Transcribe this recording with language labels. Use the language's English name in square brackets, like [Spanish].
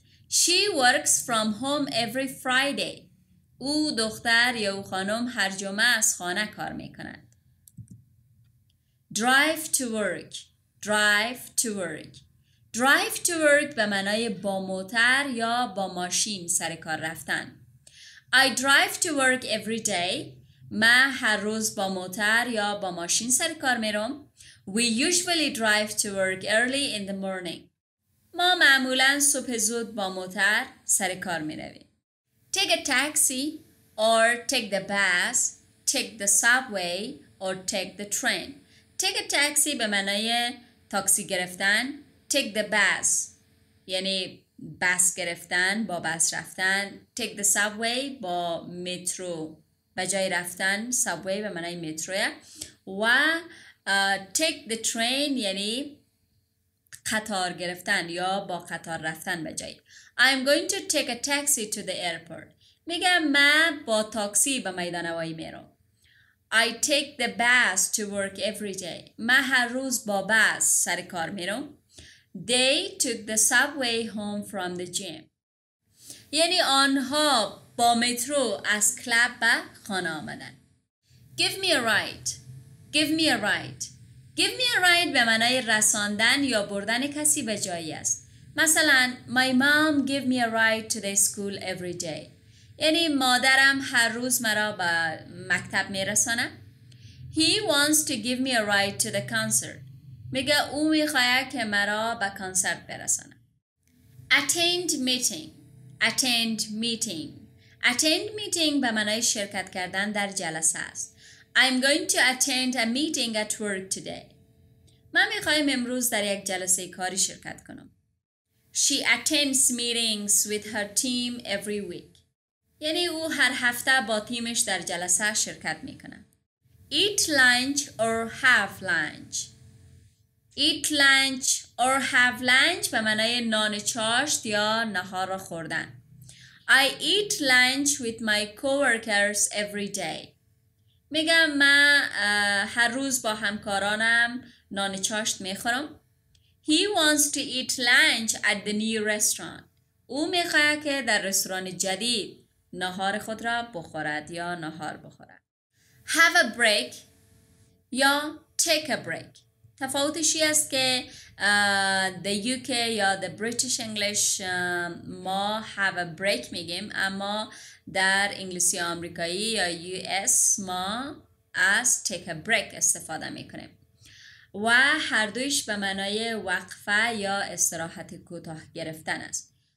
[English] She works from home every Friday. [Persian] او دختر یا او خانم هر جمعه از خانه کار میکند. [English] Drive to work. drive to work. drive to work [Persian] به معنای با موتر یا با ماشین سر کار رفتن. [English] I drive to work every day. [Persian] من هر روز با موتر یا با ماشین سر کار میرم. [English] We usually drive to work early in the morning. [Persian] ما معمولا صبح زود با موتر سر کار میرویم. [English] Take a taxi or take the bus, take the subway or take the train. Take a taxi [Persian] به معنای تاکسی گرفتن. [English] Take the bus [Persian] یعنی بس گرفتن، با بس رفتن. [English] Take the subway [Persian] با مترو به جای رفتن. Subway به معنای متروه. و [English] take the train [Persian] یعنی قطار گرفتن یا با قطار رفتن به جای. [English] I'm going to take a taxi to the airport. [Persian] میگم من با تاکسی به میدان هوایی میرم. [English] I take the bus to work every day. [Persian] من هر روز با بس سر کار میرم. [English] They took the subway home from the gym. [Persian] یعنی آنها با مترو از کلاب به خانه آمدن. [English] Give me a ride. Give me a ride. Give me a ride [Persian] به معنای رساندن یا بردن کسی به جایی است. [English] مثلا My mom give me a ride to the school every day. [Persian] یعنی مادرم هر روز مرا به مکتب میرسانه. [English] He wants to give me a ride to the concert. [Persian] میگه او میخواهد که مرا به کنسرت برسانه. [English] Attend meeting. Attend meeting. Attend meeting [Persian] به معنای شرکت کردن در جلسه است. [English] I'm going to attend a meeting at work today. [Persian] من میخواهم امروز در یک جلسه کاری شرکت کنم. [English] She attends meetings with her team every week. [Persian] یعنی او هر هفته با تیمش در جلسه شرکت میکنه. [English] Eat lunch or have lunch. Eat lunch or have lunch [Persian] به معنای نان چاشت یا نهار خوردن. [English] I eat lunch with my coworkers every day. [Persian] میگم من هر روز با همکارانم نان چاشت میخورم. [English] He wants to eat lunch at the new restaurant. [Persian] او میخواه که در رستوران جدید نهار خود را بخورد یا نهار بخورد. [English] Have a break [Persian] یا [English] take a break. [Persian] تفاوتشی است که the UK یا [English] the British English [Persian] ما [English] have a break [Persian] میگیم، اما در انگلیسی آمریکایی یا US ما از [English] take a break [Persian] استفاده میکنیم و هر دویش به معنای وقفه یا استراحت کوتاه گرفتن است.